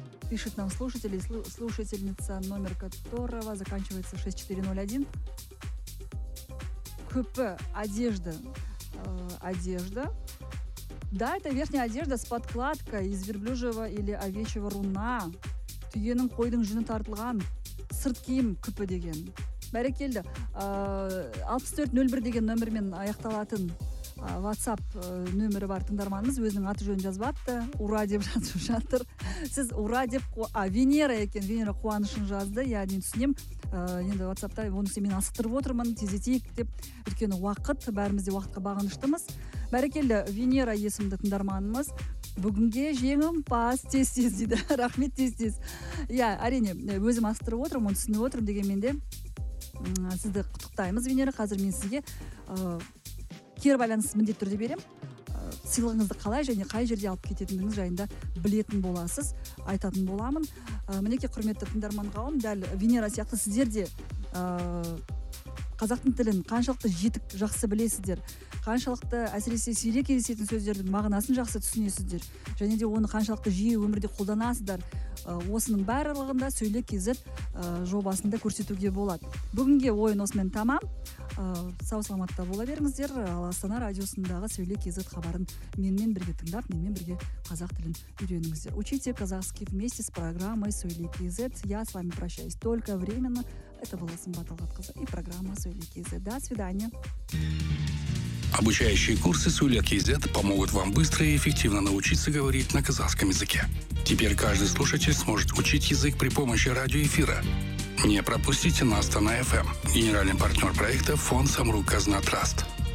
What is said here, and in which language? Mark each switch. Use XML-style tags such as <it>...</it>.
<ru>Пишет нам слушатель и слушательница, номер которого заканчивается 6401. КП, одежда. одежда. Да, это верхняя одежда с подкладкой из верблюжьего или овечьего руна.</ru> <kk>Түйенің қойдың жүні тартылған сырт киім күпі деген. Бәрекелді, 6401 деген нөмірмен аяқталатын WhatsApp нөмірі бар тыңдарманыңыз. Өзінің аты жөнін жазбапты. Ура деп жазып жатыр. Сіз ура деп, Венера екен, Венера қуанышын жазды. Я не түсінем. Енді WhatsApp-та онысы мен асықтырып отырмын, тезетейік деп. Үлкені уақыт, бәрімізде уақытқа бағыныштымыз. Бәрекелді, Венера есімді тыңдарманымыз. Бүгінге жеңімпаз, тез-тез дейді. Рахмет, тез-тез. Я, әрине, өзім астырып отырмын, оны түсініп отырмын дегенмен де, сізді құттықтаймыз, Венера. Қазір мен сізге кері байланысыз міндет түрде берем. Сыйлығыңызды қалай және қай жерде алып кететініңіз жайында білетін боласыз, айтатын боламын. Мінекі құрметті тыңдарман қауым, дәл Венера сияқты сіздер де қазақтың тілін қаншалықты жетік жақсы білесіздер, қаншалықты әсіресе сирек кездесетін сөздердің мағынасын жақсы түсінесіздер, және де оны қаншалықты жиі өмірде қолданасыздар, осының барлығында сөйлеп кезіп жобасында көрсетуге болады. Бүгінге ойын осымен тамам. Сау-саламатта бола беріңіздер. Астана радиосындағы сөйлеп кезіп хабарын менмен бірге тыңдап, менмен бірге қазақ тілін үйреніңіздер.</kk> <ru>Учите казахский вместе с программой сөйлеп кезіп. Я с вами прощаюсь только временно. Это была Сымбат Алғатқызы и программа сөйлеп кезіп. До свидания. Обучающие курсы Сулья.кз помогут вам быстро и эффективно научиться говорить на казахском языке. Теперь каждый слушатель сможет учить язык при помощи радиоэфира. Не пропустите на Астана FM. Генеральный партнер проекта – фонд «Самрук Казна Траст».</ru>